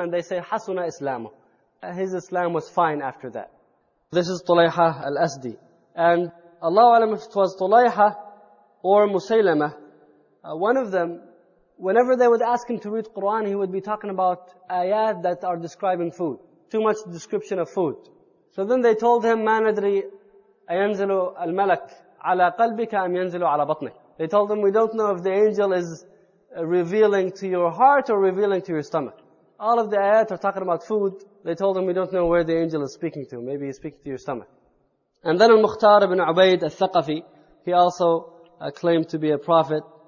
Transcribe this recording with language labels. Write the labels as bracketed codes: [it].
[en] And they say, [ar] Hasuna Islamu. [en] His Islam was fine after that. This is Tulayha al-Azdi. And [ar] Allahu A'lam [en] if it was Tulayha or Musaylama, one of them, whenever they would ask him to read Quran, he would be talking about ayat that are describing food. Too much description of food. [ar] So then they told him, مَا نَدْرِي أَيَنْزِلُ الْمَلَكُ عَلَى قَلْبِكَ أَمْ يَنْزِلُ عَلَى بَطْنِكَ. [en] They told him, we don't know if the angel is revealing to your heart or revealing to your stomach. All of the ayat are talking about food. They told him, we don't know where the angel is speaking to. Maybe he's speaking to your stomach. And then Al-Mukhtar ibn Ubayd al-Thaqafi, he also claimed to be a prophet.